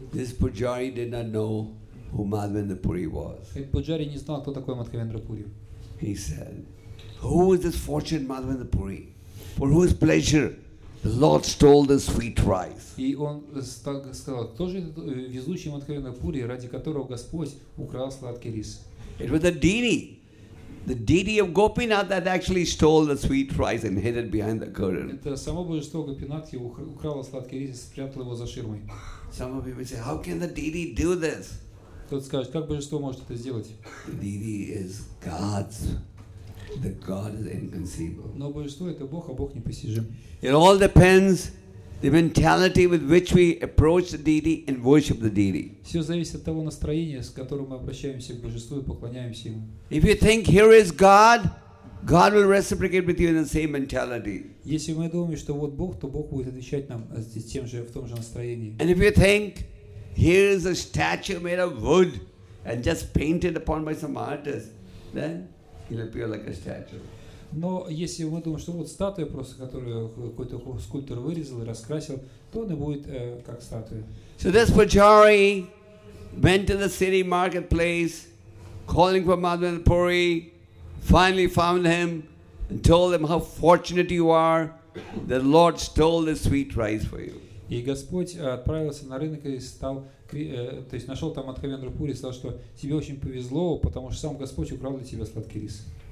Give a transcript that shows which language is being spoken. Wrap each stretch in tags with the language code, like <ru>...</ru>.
<en>This pujari did not know who Madhavendrapuri was.</en> <ru>Пуджари не знал, кто такой Мадхавендрапури.</ru> <en>He said, who is this fortunate Madhavendrapuri? For whose pleasure The Lord stole the sweet rice.</en> <ru>И он сказал, кто же этот везучий мотковенный пури, ради которого Господь украл сладкий рис?</ru> <en>It was the deity of Gopinath that actually stole the sweet rice and hid it behind the curtain.</en> <ru>Это само божество Гопинатхи украло сладкий рис и спрятало его за ширмой.</ru> <en>Some of people say, how can the deity do this?</en> <ru>Кто-то скажет, как божество может это сделать?</ru> <en>The deity is God's. The God is inconceivable.</en> <ru>Но божество это Бог, а Бог непостижим.</ru> <en>It all depends the mentality with which we approach the deity and worship the deity.</en> <ru>Все зависит от того настроения, с которым мы обращаемся к божеству и поклоняемся ему.</ru> <en>If you think here is God, God will reciprocate with you in the same mentality.</en> <ru>Если мы думаем, что вот Бог, то Бог будет отвечать нам тем же в том же настроении.</ru> <en>And if you think here is a statue made of wood and just painted upon by some artist, then he'll appear like a statue.</en> <ru>Но если мы думаем, что вот статуя просто, которую какой-то скульптор вырезал и раскрасил, то он и будет как статуя.</ru> <en>So this pujari went to the city marketplace, calling for Madhavendra Puri, finally found him and told him how fortunate you are that the Lord stole the sweet rice for you.</en> <ru>И Господь отправился на рынок и стал, то есть нашел там Мадхавендру Пури и сказал, что тебе очень повезло, потому что сам Господь украл для тебя сладкий рис.</ru>